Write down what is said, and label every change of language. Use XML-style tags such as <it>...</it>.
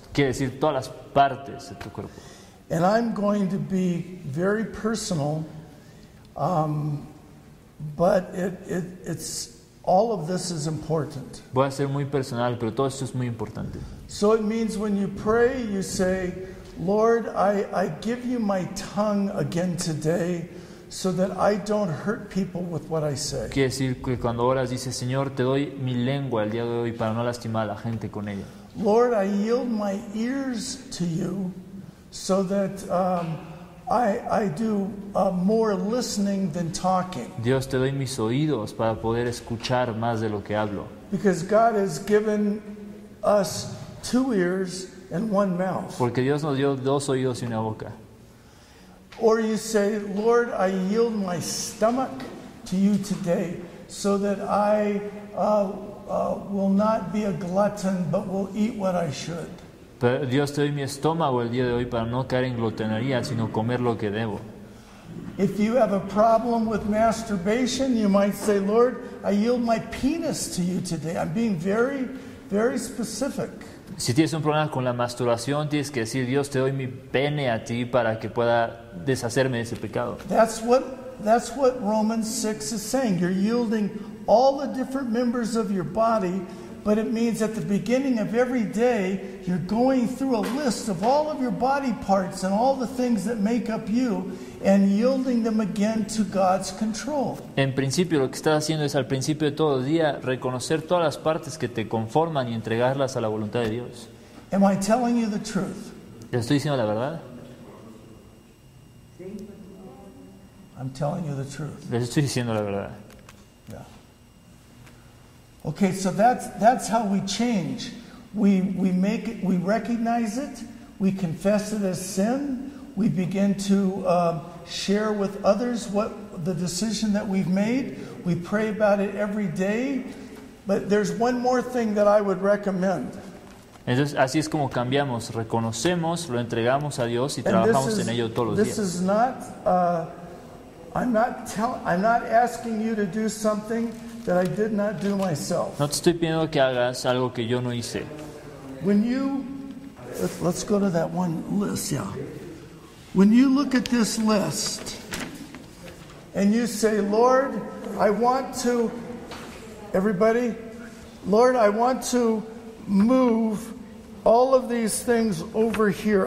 <es>Quiere decir todas las partes de tu cuerpo.</es> <en>And I'm going to be very personal, but it's all of this is important.</en> <es>Voy a ser muy personal, pero todo esto es muy importante.</es> <en>So it means when you pray, you say, Lord, I give you my tongue again today so that I don't hurt people with what I say.</en> <es>Quiere decir que cuando oras dices, Señor, te doy mi lengua el día de hoy para no lastimar a la gente con ella.</es> <en>Lord, I yield my ears to you so that I do more listening than talking.</en> <es>Dios, te doy mis oídos para poder escuchar más de lo que hablo.</es> <en>Because God has given us two ears and one mouth.</en> <es>Porque Dios nos dio dos oídos y una boca.</es> <en>Or you say, Lord, I yield my stomach to you today so that I will not be a glutton but will eat what I should.</en> <es>Pero Dios, te doy mi estómago el día de hoy para no caer en glotonería, sino comer lo que debo.</es> <en>If you have a problem with masturbation, you might say, Lord, I yield my penis to you today. I'm being very, very specific.</en> <es>Si tienes un problema con la masturbación, tienes que decir, Dios, te doy mi pene a ti para que pueda deshacerme de ese pecado.</es> <en>That's what Romans 6 is saying. You're yielding all the different members of your body. But it means at the beginning of every day, you're going through a list of all of your body parts and all the things that make up you and yielding them again to God's control.</en> <es>En principio, lo que estás haciendo es al principio de todo el día reconocer todas las partes que te conforman y entregarlas a la voluntad de Dios.</es> <en>Am I telling you the truth?</en> <es>¿Te estoy diciendo la verdad?</es> <en>I'm telling you the truth.</en> <es>Les estoy diciendo la verdad.</es> <en>Okay, so that's how we change. We make it, we recognize it, we confess it as sin, we begin to share with others what the decision that we've made, we pray about it every day. But there's one more thing that I would recommend.</en> <es>Entonces, así es como cambiamos, reconocemos, lo entregamos a Dios y trabajamos en ello todos los días.</es> <en>This is not I'm not asking you to do something that I did not do myself.</en> <es>No te estoy pidiendo que hagas algo que yo no hice.</es> <en>When you, let's go to that one list, yeah. When you look at this list and you say, Lord, I want to, everybody, Lord, I want to move all of these things over here.</en>